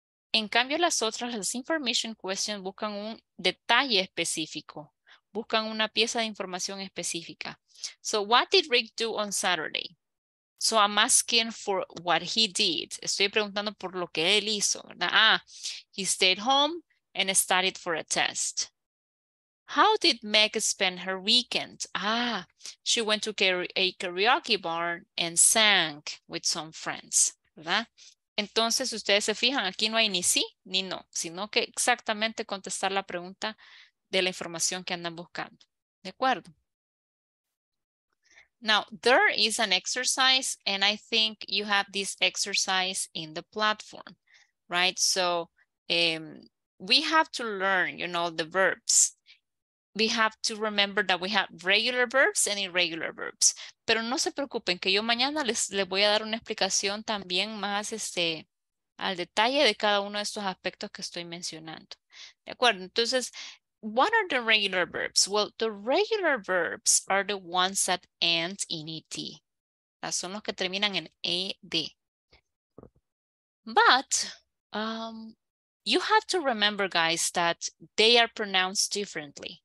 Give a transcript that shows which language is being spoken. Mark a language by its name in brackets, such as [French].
[Spanish] En cambio, las otras, las information questions, buscan un detalle específico. [English] Buscan una pieza de información específica. So, what did Rick do on Saturday? [Spanish] So, I'm asking for what he did. Estoy preguntando por lo que él hizo, ¿verdad? [English] Ah, he stayed home and studied for a test. How did Meg spend her weekend? Ah, she went to a karaoke bar and sang with some friends, ¿verdad? [Spanish] Entonces, ustedes se fijan, aquí no hay ni sí ni no, sino que exactamente contestar la pregunta de la información que andan buscando. ¿De acuerdo? [English] Now, there is an exercise, and I think you have this exercise in the platform, right? So, we have to learn, you know, the verbs. We have to remember that we have regular verbs and irregular verbs. [Spanish] Pero no se preocupen, que yo mañana les voy a dar una explicación también más al detalle de cada uno de estos aspectos que estoy mencionando. [English] ¿De acuerdo? Entonces, what are the regular verbs? Well, the regular verbs are the ones that end in ed. Son los que terminan en ed. But you have to remember, guys, that they are pronounced differently.